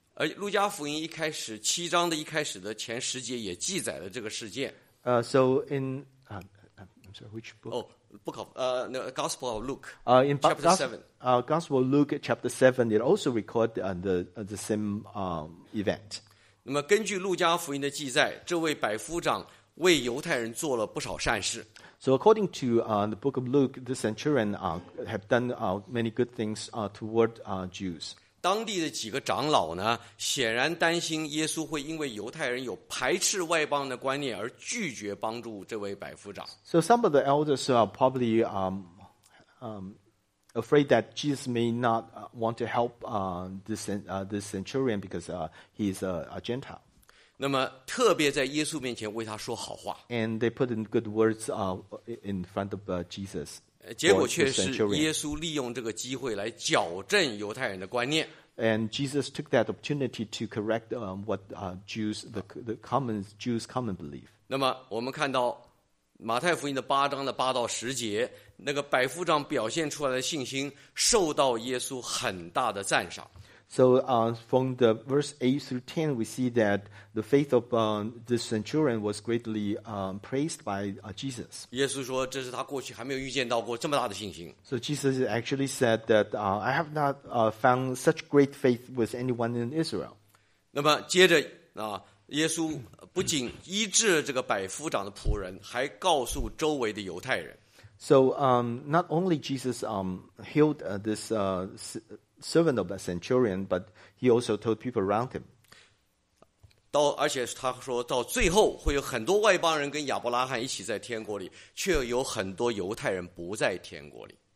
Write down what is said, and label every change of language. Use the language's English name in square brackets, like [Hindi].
[Chinese] 而路加福音一开始七章的一开始的前十节也记载了这个事件。 [English] So in I'm sorry, which book? Gospel of Luke. In chapter 7. Gospel of Luke chapter 7, it also records the same event. [Chinese] 那么根据路加福音的记载，这位百夫长为犹太人做了不少善事。 [English] So according to the book of Luke, the centurion have done many good things toward Jews. [Chinese] 当地的几个长老呢，显然担心耶稣会因为犹太人有排斥外邦的观念而拒绝帮助这位百夫长。 [English] So some of the elders are probably afraid that Jesus may not want to help this centurion because he is a Gentile. [Chinese] 那么特别在耶稣面前为他说好话。 [English] And they put in good words in front of Jesus. [Chinese] 结果却是耶稣利用这个机会来矫正犹太人的观念。 [English] And Jesus took that opportunity to correct what Jews, the common Jews' common belief. [Chinese] 那么我们看到马太福音的八章的八到十节，那个百夫长表现出来的信心受到耶稣很大的赞赏。 [English] So from the verse 8 through 10, we see that the faith of this centurion was greatly praised by Jesus. [Chinese] 耶稣说这是他过去还没有遇见到过这么大的信心。 [English] So Jesus actually said that I have not found such great faith with anyone in Israel. [Chinese] 那么接着耶稣不仅医治这个百夫长的仆人，还告诉周围的犹太人。 [English] So not only Jesus healed this servant of a centurion, but he also told people around him. [Chinese] 到而且他说到最后会有很多外邦人跟亚伯拉罕一起在天国里，却有很多犹太人不在天国里。